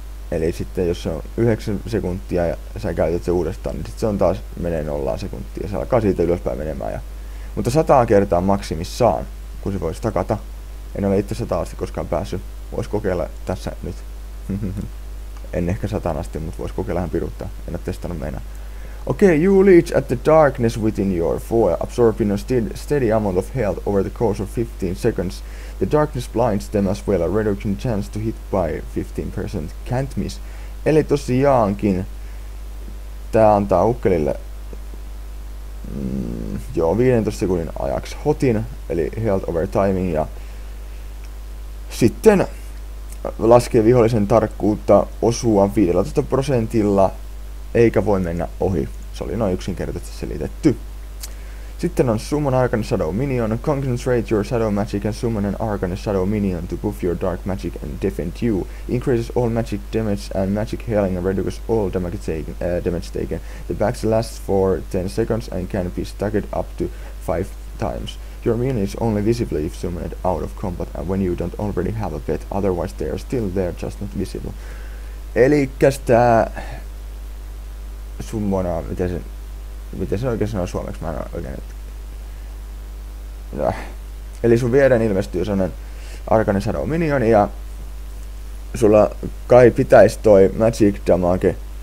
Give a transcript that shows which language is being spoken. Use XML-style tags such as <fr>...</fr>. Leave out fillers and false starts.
<fi>Eli sitten jos se on 9 sekuntia ja sä käytät se uudestaan, niin sitten se on taas menee 0 sekuntia. Se alkaa siitä ylöspäin menemään. Ja, mutta 100 kertaa maksimissaan, kun se voisi takata. En ole itse 100 asti koskaan päässyt. Voisi kokeilla tässä nyt. En ehkä 100 asti, mutta voisi kokeilla ihan piruuttaa. En ole testannut meinaa.</fi> <en>Okay, you leech at the darkness within your foil, absorbing a steady amount of health over the course of 15 seconds. The darkness blinds them as well, a reduction chance to hit by 15%, can't miss.</en> <fi>Eli tosiaankin tää antaa ukkelille 15 sekunnin ajaksi hotin, eli</fi> <en>health over timing,</en> <fi>ja sitten laskee vihollisen tarkkuutta osua 15%, eikä voi mennä ohi. Se oli noin yksinkertaisesti selitetty. Sitten on Summon Arcane Shadow Minion.</fi> <en>Concentrate your Shadow Magic and summon an Arcane Shadow Minion to buff your Dark Magic and defend you. Increases all magic damage and magic healing and reduces all damage taken. The bag lasts for 10 seconds and can be stacked up to 5 times. Your minion is only visible if summoned out of combat and when you don't already have a pet. Otherwise they are still there, just not visible.</en> <fi>Elikäs tää summonaa, miten se oikein sanoo suomeksi, mä en oikein, että eli sun viereen ilmestyy sellainen Arcane Shadow Minion ja sulla kai pitäisi toi Magic Damage,</fi>